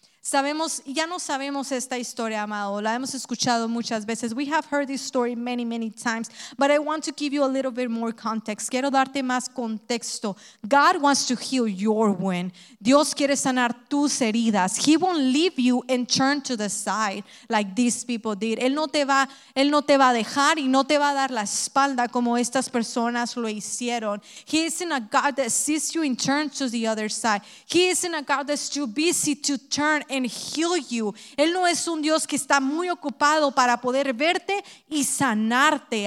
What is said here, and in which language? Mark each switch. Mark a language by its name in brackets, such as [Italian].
[Spanish] Sabemos, ya no sabemos esta historia, amado. La hemos escuchado muchas veces. [English] We have heard this story many, many times. But I want to give you a little bit more context. [Spanish] Quiero darte más contexto. [English] God wants to heal your wound. [Spanish] Dios quiere sanar tus heridas. [English] He won't leave you and turn to the side like these people did. [Spanish] Él no te va a dejar y no te va a dar la espalda como estas personas lo hicieron. [English] He isn't a God that sees you and turns to the other side. He isn't a God that's too busy to turn and heal you. [Spanish] Él no es un Dios que está muy ocupado para poder verte y sanarte.